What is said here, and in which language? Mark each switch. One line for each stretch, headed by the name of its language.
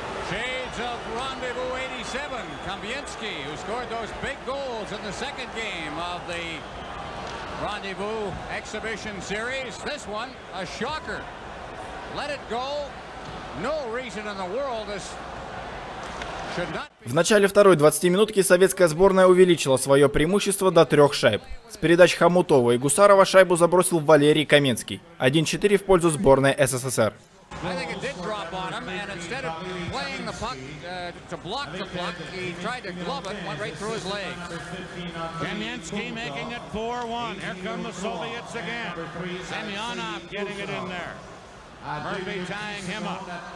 English: Shades of Rendezvous 87, Kamienski, who scored those big goals in the second game of the Rendezvous exhibition series. This one, a shocker. Let it go. No reason in the world this should not.
Russian: В начале второй 20 минутки советская сборная увеличила свое преимущество до трех шайб. С передач Хомутова и Гусарова шайбу забросил Валерий Каменский. 1-4 в пользу сборной СССР.
English: I think it did drop on him, and instead of playing the puck to block the puck, he tried to glove it, went right through his legs. Kamienski making it 4-1. Here come the Soviets again. Semyonov getting it in there. Murphy tying him up.